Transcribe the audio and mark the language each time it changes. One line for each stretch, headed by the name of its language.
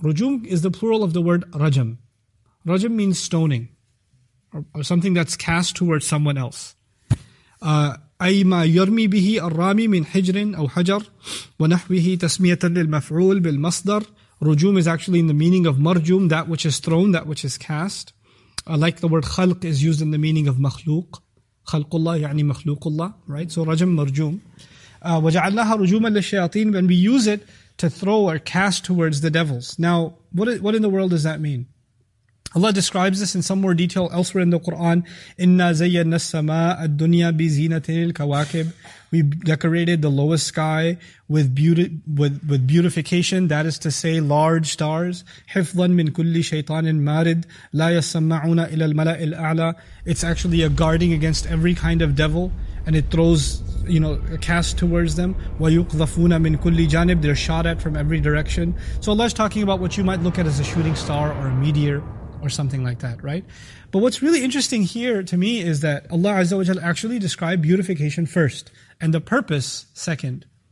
English: رُجُوم is the plural of the word رَجَم. رَجَم means stoning, or something that's cast towards someone else.
Arabic: أَيْمَا يُرْمِي بِهِ الرَّامِي مِنْ حِجْرٍ أَوْ حَجَرٍ وَنَحْوِهِ تَسْمِيَةً لِلْمَفْعُولِ بِالْمَصْدَرِ.
English: رُجُوم is actually in the meaning of مَرْجُوم, that which is thrown, that which is cast. Like the word خَلْق is used in the meaning of مخلوق.
Arabic: خلق الله يعني مخلوق الله, right? So رجم مرجوم. وجعلناها رجوما للشياطين,
English: and we use it to throw or cast towards the devils. Now, what in the world does that mean? Allah describes this in some more detail elsewhere in the Quran.
Arabic: إنا زينا السماء الدنيا بزينة الكواكب.
English: We decorated the lowest sky with beautification, that is to say, large stars.
Arabic: حِفْظًا مِنْ كُلِّ شَيْطَانٍ مَارِدٍ لَا يَسَّمَّعُونَ إِلَى الْمَلَأِ الْأَعْلَى.
English: It's actually a guarding against every kind of devil. and it throws, you know, a cast towards them.
Arabic: وَيُقْذَفُونَ مِنْ كُلِّ جَانِبٍ.
English: They're shot at from every direction. So Allah's talking about what you might look at as a shooting star or a meteor or something like that, right? But what's really interesting here to me is that Allah Azza wa Jalla actually described beautification first and the purpose second.